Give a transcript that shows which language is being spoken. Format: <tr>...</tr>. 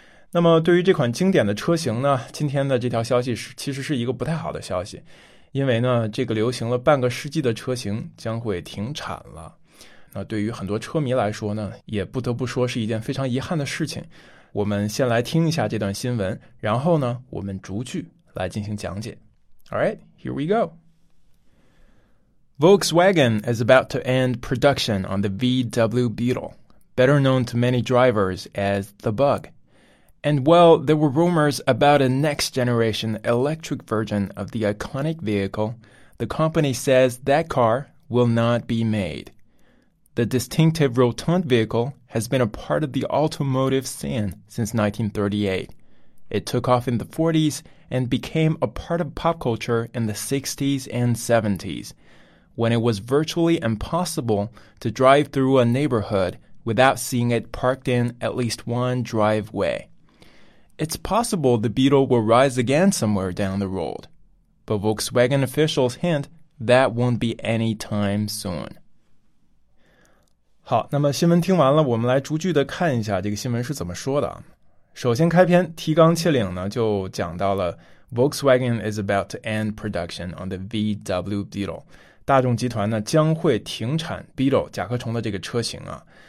<zh>那么对于这款经典的车型呢，今天的这条消息其实是一个不太好的消息，因为呢，这个流行了半个世纪的车型将会停产了。那对于很多车迷来说呢，也不得不说是一件非常遗憾的事情。我们先来听一下这段新闻，然后呢，我们逐句来进行讲解。</zh> <en>All right, here we go. Volkswagen is about to end production on the VW Beetle, better known to many drivers as the Bug. And well, there were rumors about a next-generation electric version of the iconic vehicle. The company says that car will not be made. The distinctive rotund vehicle has been a part of the automotive scene since 1938. It took off in the 40s and became a part of pop culture in the 60s and 70s, when it was virtually impossible to drive through a neighborhood without seeing it parked in at least one driveway. It's possible the Beetle will rise again somewhere down the road, but Volkswagen officials hint that won't be any time soon.</en> <zh>好，那么新闻听完了，我们来逐句的看一下这个新闻是怎么说的。首先开篇提纲挈领呢，就讲到了</zh> <en>Volkswagen is about to end production on the VW Beetle，</en> <zh>大众集团呢将会停产 Beetle 甲壳虫的这个车型啊。</zh>